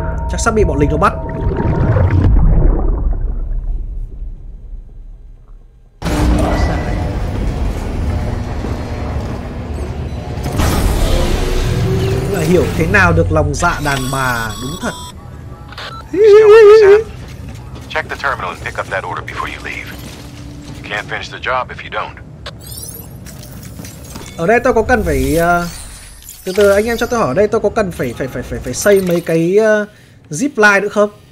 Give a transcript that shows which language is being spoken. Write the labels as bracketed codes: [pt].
[vi] Chắc sắp bị bọn lính nó bắt. Hiểu thế nào được lòng dạ đàn bà, đúng thật. [en] Check the terminal and pick up that order before you leave. You can't finish the job if you don't. [vi] Ở đây tôi có cần phải từ từ anh em cho tôi hỏi, ở đây tôi có cần phải xây mấy cái zip line nữa không?